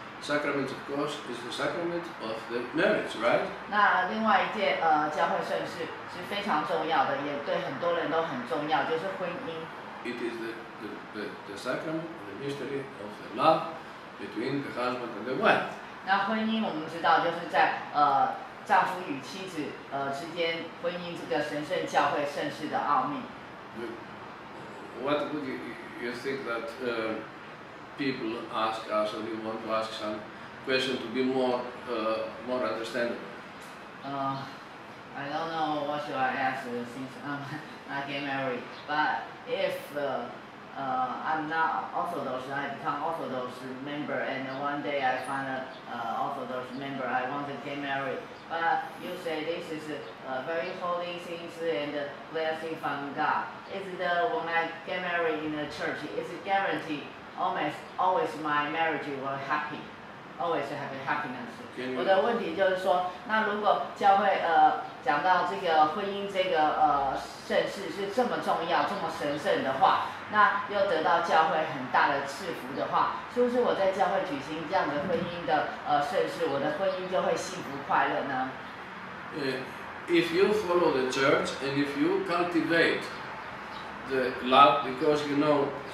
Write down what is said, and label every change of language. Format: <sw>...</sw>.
<en>Sacrament, of course, is the sacrament of the marriage, right?</en> <zh>那另外一件教会圣事是非常重要的，也对很多人都很重要，就是婚姻。</zh> <en>It is the sacrament, the mystery of the love between the husband and the wife.</en> <zh>那婚姻我们知道，就是在丈夫与妻子之间，婚姻这个神圣教会圣事的奥秘。</zh> <en>What would you think that? People ask us, or you want to ask some question to be more understandable. I don't know what should I ask since I'm not getting married. But if I'm not Orthodox, I become Orthodox member, and one day I find an Orthodox member, I want to get married. But you say this is a very holy thing and a blessing from God. Is it when I get married in the church, is it guaranteed? Always my marriage will happy, always have happiness.</en> <zh>我的问题就是说，那如果教会讲到这个婚姻这个圣事是这么重要、这么神圣的话，那又得到教会很大的赐福的话，是不是我在教会举行这样的婚姻的圣事，我的婚姻就会幸福快乐呢？</zh> <en>If you follow the church and if you cultivate the love, because you know.</en>